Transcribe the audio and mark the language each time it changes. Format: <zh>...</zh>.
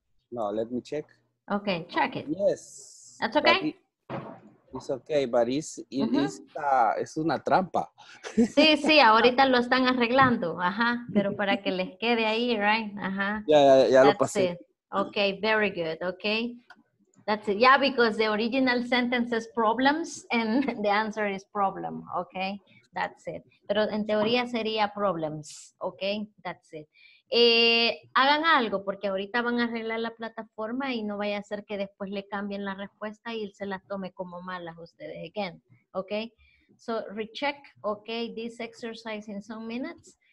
<en>No, let me check. Okay, check it. Yes. That's okay? It's okay, but it's</en> <es>es una trampa. Sí, sí, ahorita lo están arreglando. Ajá, pero para que les quede ahí, right? Ajá. Ya lo pasé.</es> <en>Okay, very good, okay. That's it. Yeah, because the original sentence is problems and the answer is problem, okay? That's it.</en> <es>Pero en teoría sería</es> <en>problems, okay? That's it.</en> <es>Hagan algo, porque ahorita van a arreglar la plataforma y no vaya a ser que después le cambien la respuesta y se las tome como malas ustedes again, okay?</es> <en>So, recheck, okay, this exercise in some minutes.</en>